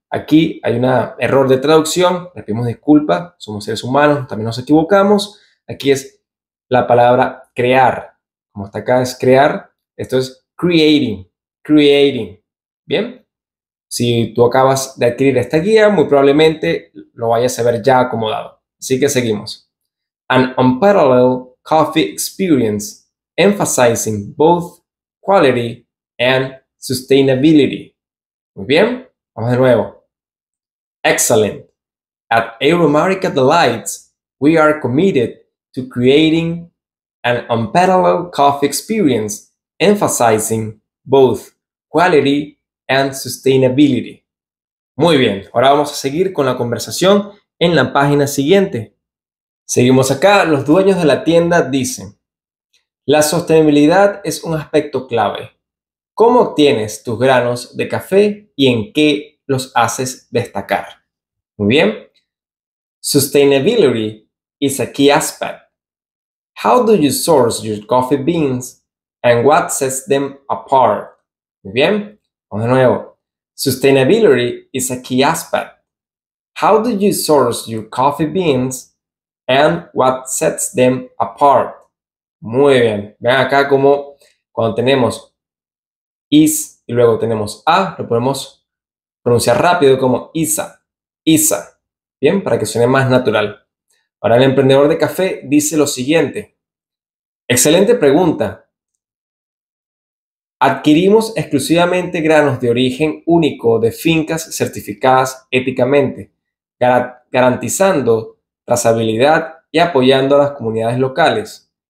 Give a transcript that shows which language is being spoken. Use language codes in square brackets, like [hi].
[es] Aquí hay un error de traducción, les pedimos disculpas, somos seres humanos, también nos equivocamos. Aquí es la palabra crear, como está acá es crear, esto es [en] creating, creating. [es] Bien, si tú acabas de adquirir esta guía, muy probablemente lo vayas a ver ya acomodado. Así que seguimos. [en] An unparalleled coffee experience, emphasizing both quality and sustainability. [es] Muy bien, vamos de nuevo. [en] Excellent. At Aromatica Delights, we are committed to creating an unparalleled coffee experience, emphasizing both quality and sustainability. [es] Muy bien, ahora vamos a seguir con la conversación en la página siguiente. Seguimos acá, los dueños de la tienda dicen, La sostenibilidad es un aspecto clave. ¿Cómo obtienes tus granos de café y en qué los haces destacar? Muy bien. [en] Sustainability is a key aspect. How do you source your coffee beans and what sets them apart? [es] Muy bien. Vamos de nuevo. [en] Sustainability is a key aspect. How do you source your coffee beans and what sets them apart? [es] Muy bien. Vean acá como cuando tenemos is y luego tenemos a, lo podemos pronunciar rápido como isa, isa. Bien, para que suene más natural. Ahora el emprendedor de café dice lo siguiente. Excelente pregunta. Adquirimos exclusivamente granos de origen único de fincas certificadas éticamente, garantizando trazabilidad y apoyando a las comunidades locales.